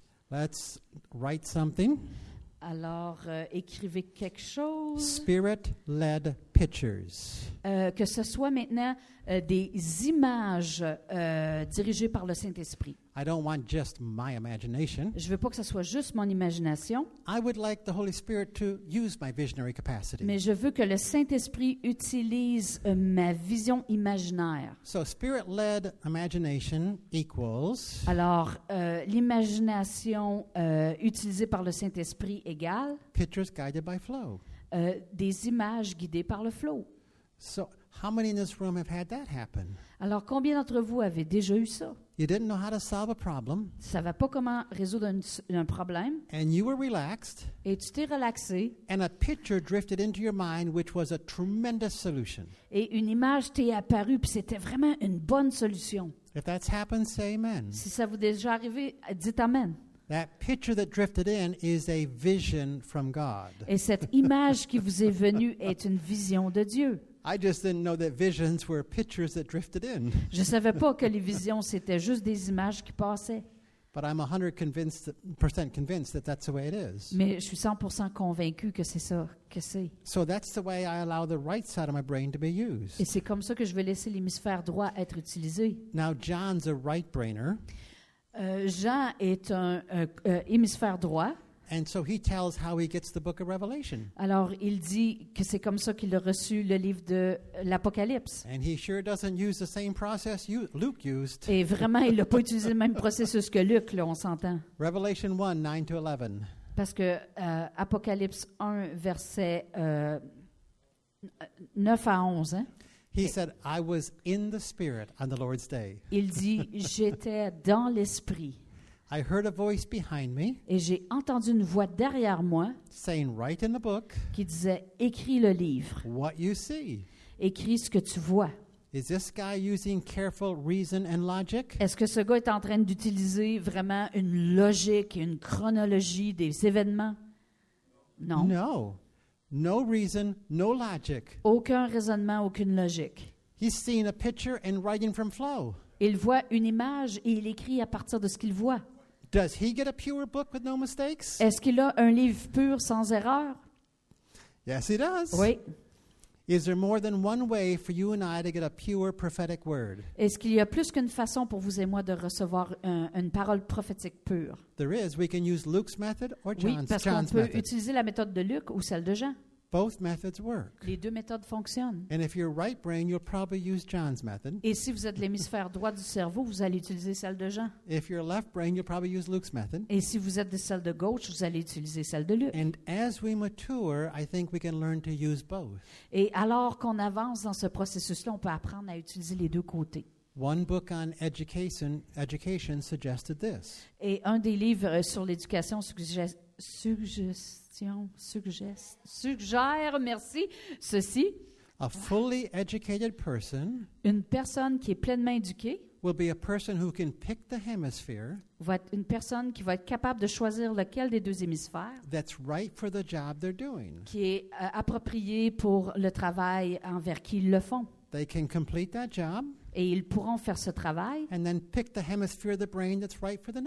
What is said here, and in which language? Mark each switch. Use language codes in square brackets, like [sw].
[en] Let's write something. [fr] Alors, écrivez quelque chose. [en] Spirit-led pictures. [fr] Que ce soit maintenant des images dirigées par le Saint-Esprit. [en] I don't want just my imagination. [fr] Je veux pas que ce soit juste mon imagination. [en] I would like the Holy Spirit to use my visionary capacity. [fr] Mais je veux que le Saint-Esprit utilise ma vision imaginaire. [en] So spirit-led imagination equals. [fr] Alors l'imagination utilisée par le Saint-Esprit égale. [en] Pictures guided by flow. [fr] Des images guidées par le flow. [en] So how many in this room have had that happen? [fr] Alors combien d'entre vous avez déjà eu ça? [en] You didn't know how to solve a problem. [fr] Ça va pas comment résoudre un problème. [en] And you were relaxed. [fr] Et tu t'es relaxé. [en] And a picture drifted into your mind, which was a tremendous solution. [fr] Et une image t'est apparue, puis c'était vraiment une bonne solution. [en] If that's happened, say amen. [fr] Si ça vous est déjà arrivé, dites amen. [en] That picture that drifted in is a vision from God. [fr] Et cette image qui vous est venue est une vision de Dieu. [en] I just didn't know that visions were pictures that drifted in. [fr] Je savais pas que les visions c'était juste des images qui passaient. [en] But I'm 100% convinced that that's the way it is. [fr] Mais je suis 100% convaincu que c'est ça que c'est. [en] So that's the way I allow the right side of my brain to be used. [fr] Et c'est comme ça que je vais laisser l'hémisphère droit être utilisé. [en] Now John's a right brainer. [fr] Jean est un hémisphère droit. [en] And so he tells how he gets the book of Revelation. [fr] Alors il dit que c'est comme ça qu'il a reçu le livre de l'Apocalypse. [en] And he sure doesn't use the same process Luke used. [fr] Et vraiment il n'a pas utilisé le même processus que Luc, là, on s'entend. [en] Revelation 1, 9 to 11. [fr] Parce que Apocalypse 1 verset 9 à 11. [en] He said, "I was in the spirit on the Lord's day." [fr] Il dit, j'étais dans l'esprit. [en] I heard a voice behind me. [fr] Et j'ai entendu une voix derrière moi. [en] Saying, "Write in the book." [fr] Qui disait, écris le livre. [en] What you see. [fr] Écris ce que tu vois. [en] Is this guy using careful reason and logic? [fr] Est-ce que ce gars est en train d'utiliser vraiment une logique et une chronologie des événements? Non. [en] No. No reason, no logic. [fr] Aucun raisonnement, aucune logique. [en] He's seeing a picture and writing from flow. [fr] Il voit une image et il écrit à partir de ce qu'il voit. [en] Does he get a pure book with no mistakes? [fr] Est-ce qu'il a un livre pur sans erreur? [en] Yes, he does. [fr] Oui. [en] Is there more than one way for you and I to get a pure prophetic word? [fr] Est-ce qu'il y a plus qu'une façon pour vous et moi de recevoir une parole prophétique pure? [en] There is. We can use Luke's method or John's [fr] method. Oui, parce qu'on peut utiliser la méthode de Luc ou celle de Jean. [en] Both methods work. [fr] Les deux méthodes fonctionnent. [en] And if you're right brain, you'll probably use John's method. [fr] Et si vous êtes l'hémisphère droit du cerveau, vous allez utiliser celle de Jean. [en] If you're left brain, you'll probably use Luke's method. [fr] Et si vous êtes de celle de gauche, vous allez utiliser celle de Luc. [en] And as we mature, I think we can learn to use both. [fr] Et alors qu'on avance dans ce processus-là, on peut apprendre à utiliser les deux côtés. [en] One book on education suggested this. [fr] Et un des livres sur l'éducation suggère, merci, ceci. [en] A fully educated person, [fr] une personne qui est pleinement éduquée, [en] will be a person who can pick the hemisphere, [fr] va être une personne qui va être capable de choisir lequel des deux hémisphères, [en] that's right for the job they're doing, [fr] qui est approprié pour le travail envers qui ils le font. [en] They can complete that job. [fr] Et ils pourront faire ce travail [en] right